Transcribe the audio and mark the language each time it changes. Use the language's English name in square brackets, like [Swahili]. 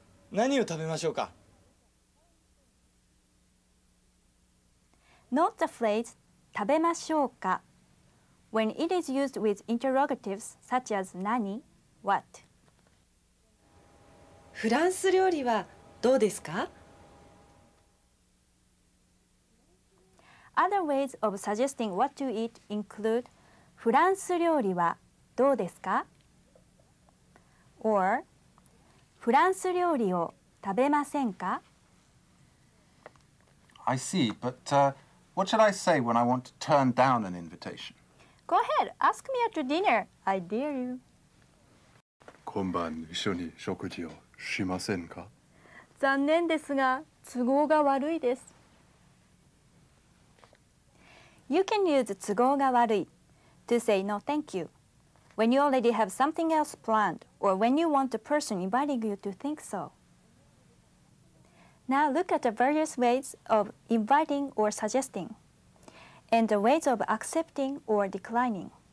[Japanese] 何を食べましょうか？ [English] Note the phrase [Japanese] 食べましょうか [English] when it is used with interrogatives such as 何 what. [Japanese] フランス料理はどうですか? [English] Other ways of suggesting what to eat include [Japanese] フランス料理はどうですか? or フランス料理を食べませんか? [English] I see, but... What should I say when I want to turn down an invitation? Go ahead, ask me after dinner. I dare you. [Japanese] 今晩一緒に食事をしませんか? 残念ですが、都合が悪いです。 [English] You can use [Japanese] 都合が悪い [English] to say no thank you when you already have something else planned or when you want the person inviting you to think so. Now look at the various ways of inviting or suggesting, and the ways of accepting or declining.